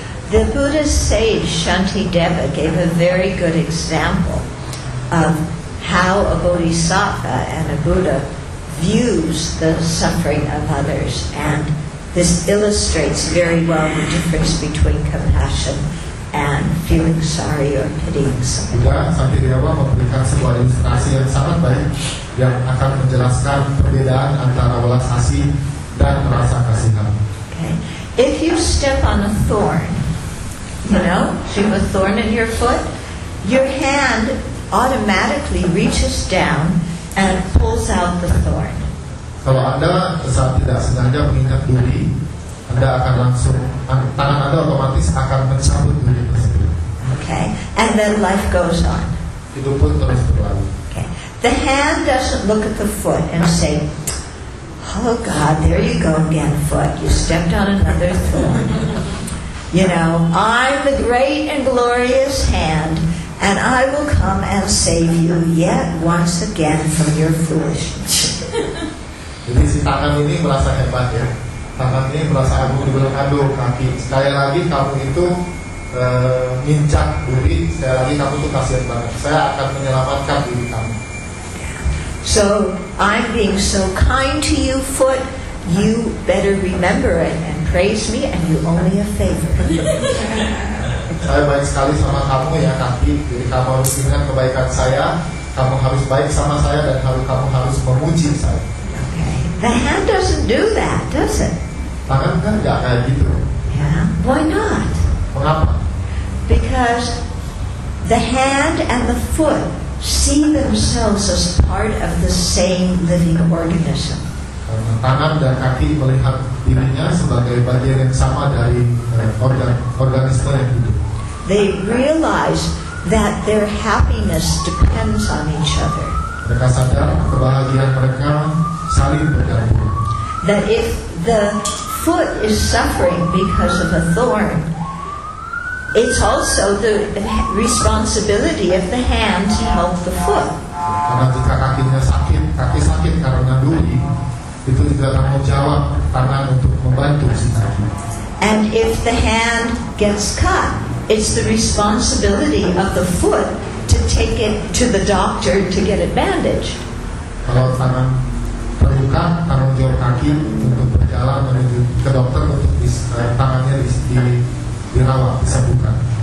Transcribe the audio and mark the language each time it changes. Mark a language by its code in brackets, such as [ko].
[en] The Buddha's sage Shantideva gave a very good example of how a bodhisattva and a Buddha views the suffering of others, and this illustrates very well the difference between compassion and feeling sorry or pitying someone. [id] Buddha Shantideva memberikan sebuah ilustrasi yang sangat baik yang akan menjelaskan perbedaan antara welas asih dan merasa kasihan. [en] Okay. If you step on a thorn, you know, if you have a thorn in your foot, your hand automatically reaches down and pulls out the thorn. [id] Kalau Anda saat tidak sengaja menginjak duri, Anda akan langsung, tangan Anda otomatis akan mencabut duri tersebut. [en] Okay, and then life goes on. [id] Itu pun terus berlalu. [en] Okay, the hand doesn't look at the foot and say, oh God, there you go again, foot. You stepped on another thorn. You know, I'm the great and glorious hand, and I will come and save you yet once again from your foolishness. [id] Jadi si tangan ini merasa hebat ya. Tangan ini merasa aduh, kaki. Sekali lagi kamu itu nginjak duri, sekali lagi kamu itu kasihan banget. Saya akan menyelamatkan diri kamu. [en] So I'm being so kind to you, foot. You better remember it and praise me, and you owe me a favor. [id] Saya baik sekali sama kamu ya, kaki. Jadi kamu harus ingat kebaikan saya. Kamu harus baik sama saya dan kamu harus memuji saya. [en] Okay. The hand doesn't do that, does it? [id] Tangan kan nggak kayak gitu. [en] Yeah. Why not? [id] Mengapa? [en] Because the hand and the foot see themselves as part of the same living organism. [id] Tangan dan kaki melihat dirinya sebagai bagian yang sama dari organisme yang hidup. [en] They realize that their happiness depends on each other. [id] Mereka sadar kebahagiaan mereka saling bergantung. [en] That if the foot is suffering because of a thorn, it's also the responsibility of the hand to help the foot. [id] Karena jika kakinya sakit, kaki sakit karena duri, itu juga tanggung jawab tangan untuk membantu si kaki. [en] And if the hand gets cut, it's the responsibility of the foot to take it to the doctor to get it bandaged. [id] Kalau tangan terluka, tanggung jawab kaki untuk berjalan menuju ke dokter untuk tangannya disembuhkan.